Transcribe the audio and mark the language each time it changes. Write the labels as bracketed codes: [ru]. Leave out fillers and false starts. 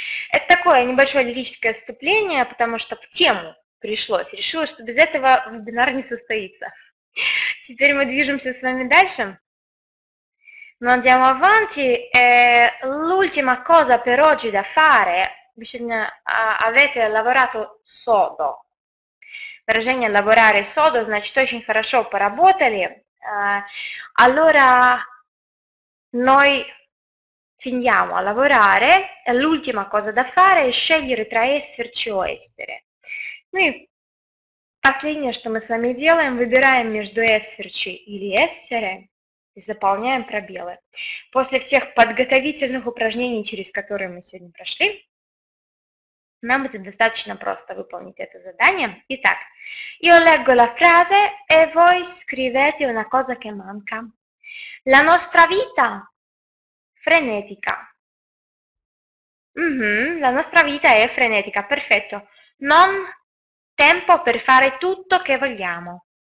[ru] Это такое небольшое лирическое вступление, потому что в тему пришлось. Решила, что без этого вебинар не состоится. Теперь мы движемся с вами дальше. [it] Но andiamo avanti. L'ultima cosa per oggi da fare. Avete lavorato sodo. [ru] Выражение [it] «lavorare sodo» [ru] значит «очень хорошо поработали». [it] Allora, noi finiamo a lavorare, l'ultima cosa da fare è scegliere tra esserci o essere. Noi, [ru] последнее, что мы с вами делаем, выбираем между esserci или essere и заполняем пробелы. После всех подготовительных упражнений, через которые мы сегодня прошли, нам будет достаточно просто выполнить это задание. Итак, [it] io leggo la frase e voi scrivete una cosa che manca. La nostra vita frenetica. La nostra vita è frenetica, perfetto. Non tempo per fare tutto che vogliamo.